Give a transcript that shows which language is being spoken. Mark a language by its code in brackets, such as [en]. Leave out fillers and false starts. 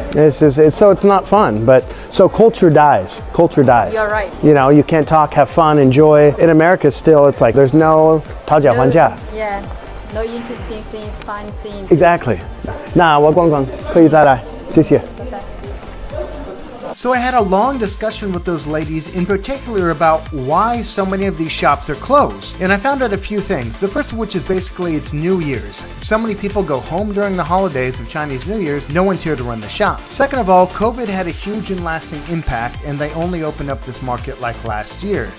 [en] So it's not fun, but so culture dies. Culture dies. You're right. You know, you can't talk, have fun, enjoy. In America, still, it's like there's no [zh] 讨价还价. [en] Yeah. No interesting things, fun things. Exactly. [zh] 那我逛逛，可以再来，谢谢。 [en] So I had a long discussion with those ladies, in particular about why so many of these shops are closed. And I found out a few things. The first of which is basically it's New Year's. So many people go home during the holidays of Chinese New Year's, no one's here to run the shop. Second of all, COVID had a huge and lasting impact, and they only opened up this market like last year.